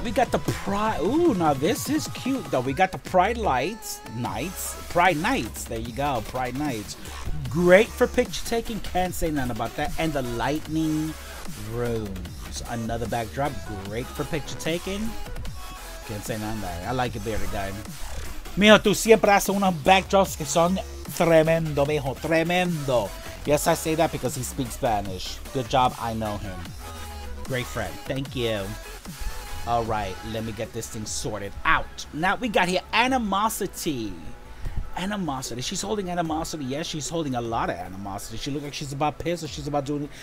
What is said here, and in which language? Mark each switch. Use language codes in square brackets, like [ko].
[en] We got the pride. Ooh, now this is cute, though. We got the pride lights. Nights. Pride nights. There you go. Pride nights. Great for picture taking. Can't say nothing about that. And the lightning runes. Another backdrop. Great for picture taking. Can't say nothing about it. I like it, bearded guy. [es] Mijo, tú siempre haces unos backdrops que son tremendo, mijo. Tremendo. [en] Yes, I say that because he speaks Spanish. Good job. I know him. Great friend. Thank you. All right. Let me get this thing sorted out. Now, we got here Animosity. Animosity. She's holding Animosity. Yes, she's holding a lot of Animosity. She looks like she's about pissed, or she's about doing...